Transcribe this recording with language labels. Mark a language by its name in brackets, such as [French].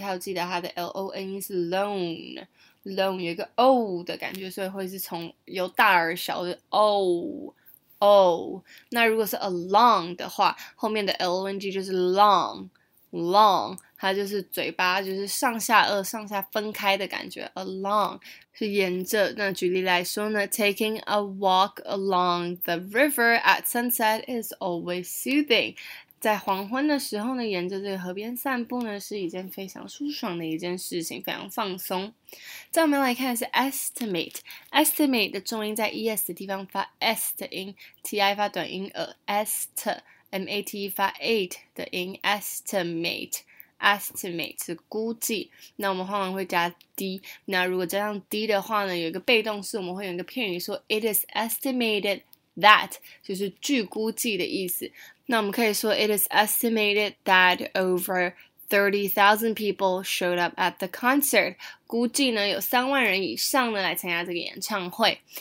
[Chinese] 还有记得它的 L-O-N-E 是 lone 有一个 O 的感觉，所以会是从由大而小的 O。那如果是 along 的话，后面的 L-O-N-G 就是 long， 它就是嘴巴，就是上下颚上下分开的感觉。 Along 是沿着。那举例来说呢 [English] ，Taking a walk along the river at sunset is always soothing。 [Chinese] 在黄昏的时候呢，沿着这个河边散步呢，是一件非常舒爽的一件事情，非常放松。再我们来看是 estimate 的重音在 es 的地方发 s 的音 ，ti 发短音 est，mate 发 8 的音 ，estimate 是估计。那我们往往会加 d， 那如果加上 d 的话呢，有一个被动式，我们会有一个片语说 [English] it is estimated that， [Chinese] 就是据估计的意思。那我们可以说 [English] ，It is estimated that over 30,000 people showed up at the concert. [Chinese] 估计呢有三万人以上呢来参加这个演唱会。